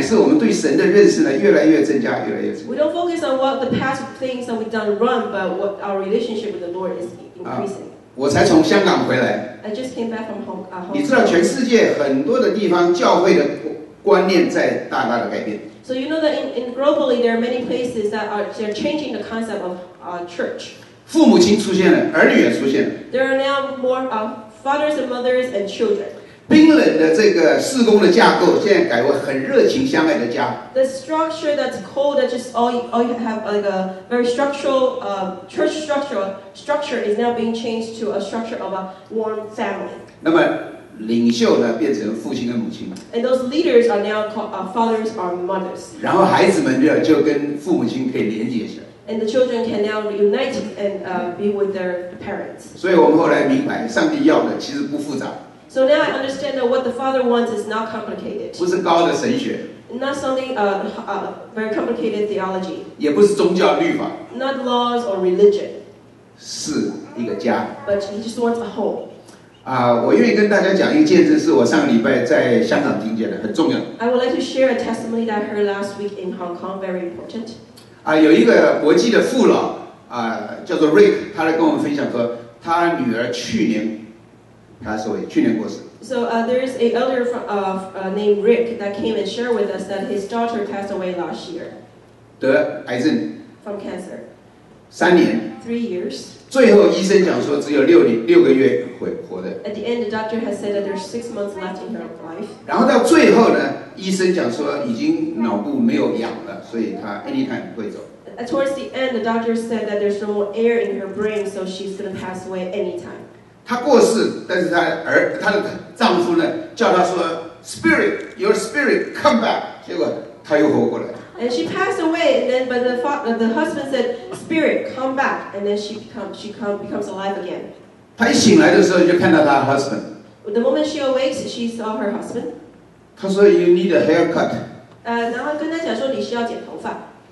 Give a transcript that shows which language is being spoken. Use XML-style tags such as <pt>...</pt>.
<zh>不是以前有什么错误，乃是我们对神的认识呢越来越增加，越来越增加。</zh> <en>We don't focus on what the past things that we've done wrong, but what our relationship with the Lord is increasing.</en> <zh>我才从香港回来。</zh> <en>I just came back from Hong Kong.</en> <zh>你知道全世界很多的地方教会的观念在大大的改变。</zh> <en>So you know that in globally there are many places that are changing the concept of church.</en> <zh>父母亲出现了，儿女也出现了。</zh> <en>There are now more fathers and mothers and children.</en> <zh>冰冷的这个事工的架构，现在改为很热情相爱的家。</zh> <en>The structure that's cold, that just all you have like a very structural church structure is now being changed to a structure of a warm family.</en> <zh>那么领袖呢，变成父亲跟母亲。</zh> <en>And those leaders are now called fathers or mothers.</en> <zh>然后孩子们就跟父母亲可以连接起来。</zh> <en>And the children can now reunite and be with their parents.</en> <zh>所以我们后来明白，上帝要的其实不复杂。</zh> <en>So now I understand that what the Father wants is not complicated.</en> <zh>不是高的神学。</zh> <en>Not something very complicated theology.</en> <zh>也不是宗教律法。</zh> <en>Not laws or religion.</en> <zh>是一个家。</zh> <en>But he just wants a home.</en> <zh>我愿意跟大家讲一个见证，是我上礼拜在香港听见的，很重要。</zh> <en>I would like to share a testimony that I heard last week in Hong Kong, very important.</en> <zh>有一个国际的父老，叫做 Rick， 他来跟我们分享说，他女儿去年过世。</zh> <en>So there is a elder named Rick that came and shared with us that his daughter passed away last year.</en> <zh>得癌症。</zh> <en>From cancer.</en> <zh>3年。</zh> <en>3 years.</en> <zh>最后医生讲说只有六个月活的。</zh> <en>At the end, the doctor has said that there's 6 months left in her life.</en> <zh>然后到最后呢，医生讲说已经脑部没有氧了，所以她 anytime 会走。</zh> <en>Towards the end, the doctor said that there's no more air in her brain, so she's gonna pass away anytime.</en> <zh>她过世，但是她的丈夫呢，叫她说 ，</zh> <en>Spirit, your spirit, come back.</en> <zh>结果她又活过来。</zh> <en>And she passed away, and then but the husband said, "Spirit, come back." And then she becomes alive again.</en> <zh>她一醒来的时候就看到她的 husband.</zh> <en>The moment she awakes, she saw her husband.</en> <zh>她说</zh> <en>"You need a haircut."</en> <zh>然后跟她讲说你需要剪头发。</zh>